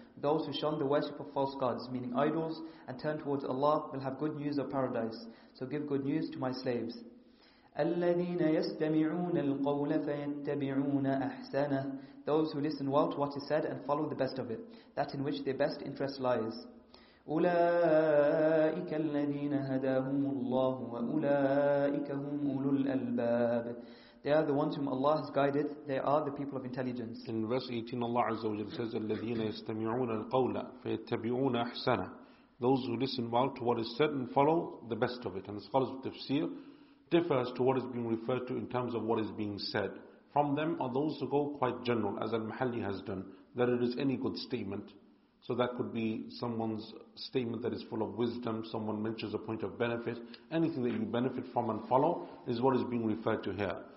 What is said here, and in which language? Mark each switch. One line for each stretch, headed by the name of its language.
English: Those who shun the worship of false gods, meaning idols, and turn towards Allah, will have good news of paradise. So give good news to my slaves.
Arabic: الَّذِينَ يَسْتَمِعُونَ الْقَوْلَ فَيَتَّبِعُونَ أَحْسَنَهُ.
English: Those who listen well to what is said and follow the best of it, that in which their best interest lies.
Arabic: أولئك الذين هداهم الله وأولئك هم أولو الألباب.
English: They are the ones whom Allah has guided. They are the people of intelligence. In verse 18, Allah Azza wa Jal says,
Arabic: الذين يستمعون القول فيتبعون أحسن.
English: Those who listen well to what is said and follow the best of it. And the scholars of tafsir differ as to what is being referred to in terms of what is being said. From them are those who go quite general, as Al-Mahalli has done, that it is any good statement. So that could be someone's statement that is full of wisdom, someone mentions a point of benefit, anything that you benefit from and follow is what is being referred to here.